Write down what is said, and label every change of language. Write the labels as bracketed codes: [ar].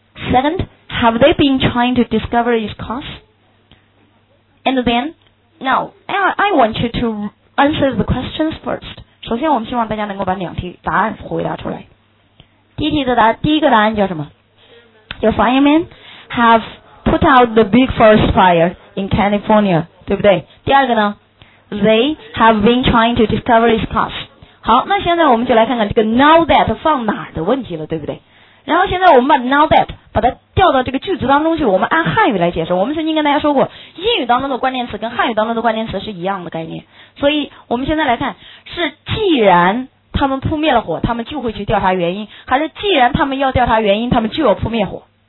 [en] Second, have they been trying to discover its cause? And then, now, I want you to answer the questions first. [zh] 首先我们希望大家能够把两题答案回答出来。第一题的答案，第一个答案叫什么？ [en] Your firemen have put out the big forest fire in California, [zh] 对不对？第二个呢？ [en] They have been trying to discover its cause. [zh] 好，那现在我们就来看看这个 now that 放哪儿的问题了，对不对？然后现在我们把 now that 把它调到这个句子当中去，我们按汉语来解释。我们曾经跟大家说过，英语当中的关键词跟汉语当中的关键词是一样的概念。所以我们现在来看，是既然他们扑灭了火，他们就会去调查原因，还是既然他们要调查原因，他们就要扑灭火？